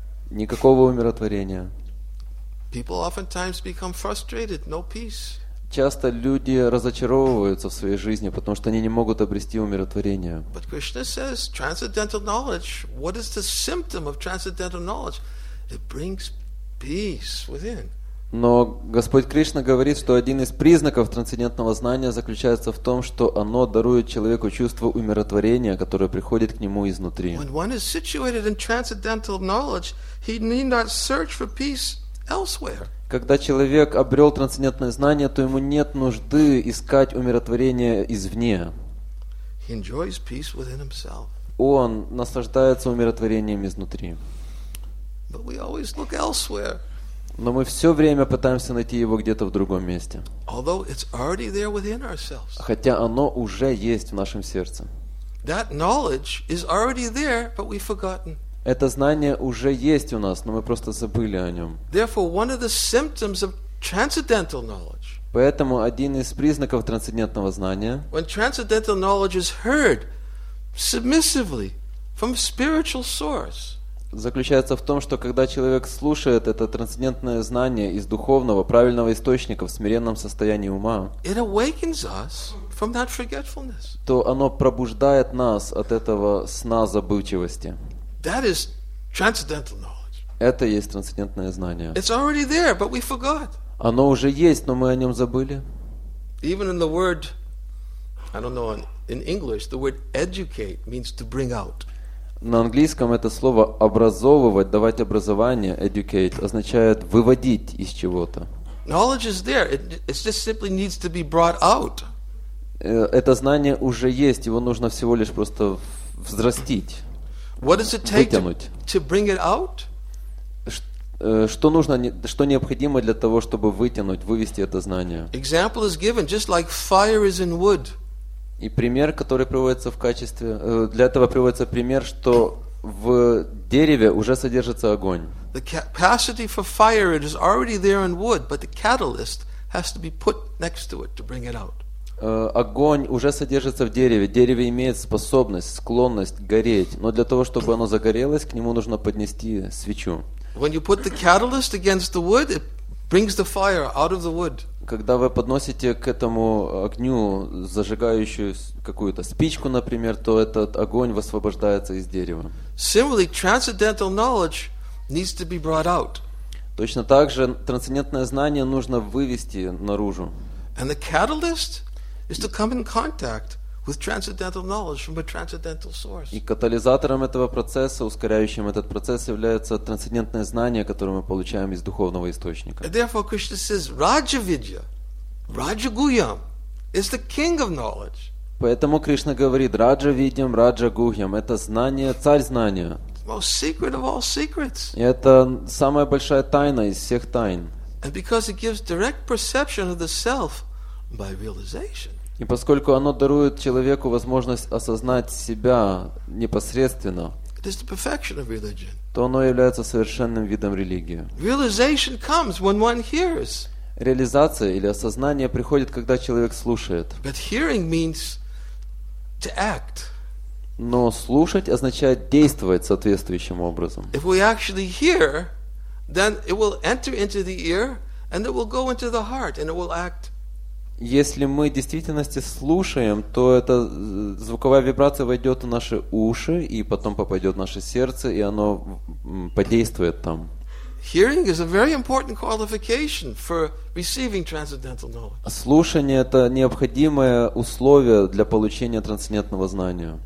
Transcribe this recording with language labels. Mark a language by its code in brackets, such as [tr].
[ru] Никакого умиротворения. [en] People oftentimes become frustrated. No peace. [ru] Часто люди разочаровываются в своей жизни, потому что они не могут обрести умиротворение. [en] But Krishna says, transcendental knowledge, what is the symptom of transcendental knowledge? It brings peace within. [ru] Но Господь Кришна говорит, что один из признаков трансцендентного знания заключается в том, что оно дарует человеку чувство умиротворения, которое приходит к нему изнутри. [en] When one is situated in transcendental knowledge, he need not search for peace elsewhere. [ru] Когда человек обрел трансцендентное знание, то ему нет нужды искать умиротворение извне. [en] He enjoys peace within himself. [ru] Он наслаждается умиротворением изнутри. [en] But we always look elsewhere. [ru] Но мы все время пытаемся найти его где-то в другом месте. [en] Although it's already there within ourselves. [ru] Хотя оно уже есть в нашем сердце. [en] That knowledge is already there, but we've forgotten. [ru] Это знание уже есть у нас, но мы просто забыли о нем. [en] Therefore, one of the symptoms of transcendental knowledge. [ru] Поэтому один из признаков трансцендентного знания. [en] When transcendental knowledge is heard submissively from spiritual source. [ru] Заключается в том, что когда человек слушает это трансцендентное знание из духовного, правильного источника в смиренном состоянии ума, [en] it awakens us from that forgetfulness. [ru] То оно пробуждает нас от этого сна забывчивости. [en] That is transcendental knowledge. [ru] Это есть трансцендентное знание. [en] It's already there, but we forgot. [ru] Оно уже есть, но мы о нем забыли. [en] Even in the word, I don't know, in English, the word educate means to bring out. [ru] На английском это слово образовывать, давать образование, educate, означает выводить из чего-то. [en] Knowledge is there. It just simply needs to be brought out. [ru] Это знание уже есть, его нужно всего лишь просто взрастить. [en] What does it take to bring it out? [ru] Что нужно, что необходимо для того, чтобы вытянуть, вывести это знание? [en] Example is given, just like fire is in wood. [ru] И пример, который приводится в качестве, для этого приводится пример, что в дереве уже содержится огонь. [en] The capacity for fire is already there in wood, but the catalyst has to be put next to it to bring it out. [ru] Огонь уже содержится в дереве. Дерево имеет способность, склонность гореть. Но для того, чтобы оно загорелось, к нему нужно поднести свечу. [en] When you put the catalyst against the wood, it brings the fire out of the wood. [ru] Когда вы подносите к этому огню зажигающую какую-то спичку, например, то этот огонь высвобождается из дерева. [en] Similarly, transcendental knowledge needs to be brought out. [ru] Точно так же трансцендентное знание нужно вывести наружу. [en] And the catalyst is to come in contact with transcendental knowledge from a transcendental source. [ru] И катализатором этого процесса, ускоряющим этот процесс, является трансцендентное знание, которое мы получаем из духовного источника. [en] And therefore, Krishna says, Rajavidya, Rajaguhyam, is the king of knowledge. [ru] Поэтому Кришна говорит, Rajavidyam, Rajaguhyam, это знание, царь знания. [en] The most secret of all secrets. [ru] И это самая большая тайна из всех тайн. [en] And because it gives direct perception of the self by realization. [ru] И поскольку оно дарует человеку возможность осознать себя непосредственно, [en] it is the perfection of religion. [ru] То оно является совершенным видом религии. [en] Realization comes when one hears. [ru] Реализация или осознание приходит, когда человек слушает. [en] But hearing means to act. [ru] Но слушать означает действовать соответствующим образом. [en] If we actually hear, then it will enter into the ear and it will go into the heart and it will act. [ru] Если мы в действительности слушаем, то эта звуковая вибрация войдет в наши уши и потом попадет в наше сердце, и оно подействует там. [en] Hearing is a very important qualification for receiving transcendental knowledge. [ru] Слушание – это необходимое условие для получения трансцендентного знания.